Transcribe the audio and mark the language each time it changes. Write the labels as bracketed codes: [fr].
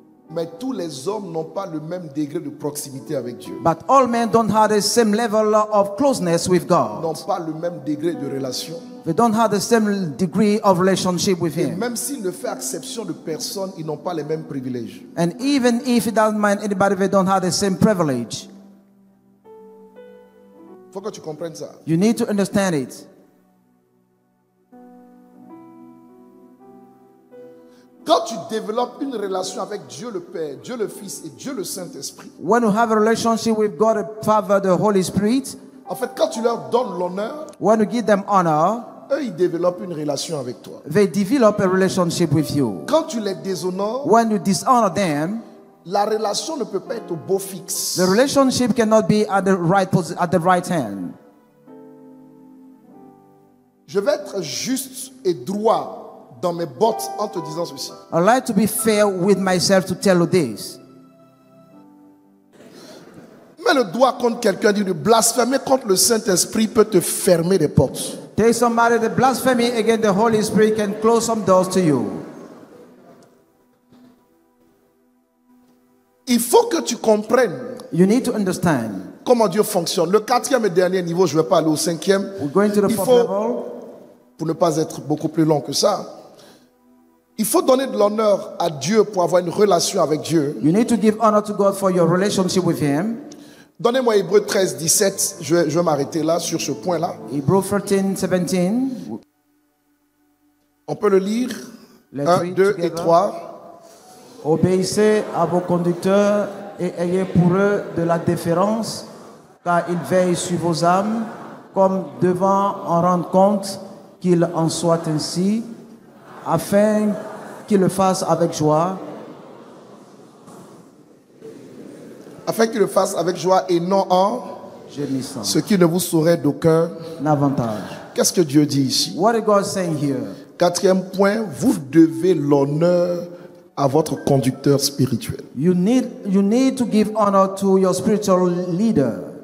[fr] Mais tous les hommes n'ont pas le même degré de proximité avec Dieu. [en] But all men don't have the same level of closeness with God. [fr] N'ont pas le même degré de relation. [en] They don't have the same degree of relationship with him. [fr] Et même s'il ne fait exception de personne, ils n'ont pas les mêmes privilèges. [en] And even if it doesn't mind anybody, they don't have the same privilege. [fr] Faut que tu comprennes ça. [en] You need to understand it. [fr] Quand tu développes une relation avec Dieu le Père, Dieu le Fils et Dieu le Saint-Esprit. [en] When you have a relationship with God, the Father, the Holy Spirit. [fr] En fait, quand tu leur donnes l'honneur. [en] When you give them honor. [fr] Eux, ils développent une relation avec toi. [en] They develop a relationship with you. [fr] Quand tu les déshonores. [en] When you dishonor them. [fr] La relation ne peut pas être au beau fixe. [en] The relationship cannot be at the right at the right hand. [fr] Je vais être juste et droit dans mes bottes en te disant ceci. [en] I like to be fair with myself to tell you this. [fr] Mets le doigt contre quelqu'un, dit de blasphémer contre le Saint-Esprit peut te fermer des portes. [en] Tell somebody the blasphemy against the Holy Spirit can close some doors to you. [fr] Il faut que tu comprennes. [en] You need to understand. [fr] Comment Dieu fonctionne. Le quatrième et dernier niveau, je ne vais pas aller au cinquième. [en] We're going to the fourth level. [fr] Pour ne pas être beaucoup plus long que ça. Il faut donner de l'honneur à Dieu pour avoir une relation avec Dieu. [en] You need to give honor to God for your relationship with him. [fr] Donnez-moi Hébreux 13, 17. Je vais m'arrêter là, sur ce point-là. Hébreux 13, 17. On peut le lire. 1, 2 et 3. Obéissez à vos conducteurs et ayez pour eux de la déférence, car ils veillent sur vos âmes, comme devant en rendre compte qu'il en soit ainsi, afin qu'ils le fassent avec joie. Afin qu'ils le fassent avec joie et non en gémissant. Ce qui ne vous saurait d'aucun avantage. Qu'est-ce que Dieu dit ici? [en] What is God saying here? [fr] Quatrième point, vous devez l'honneur à votre conducteur spirituel. [en] You need to give honor to your spiritual leader.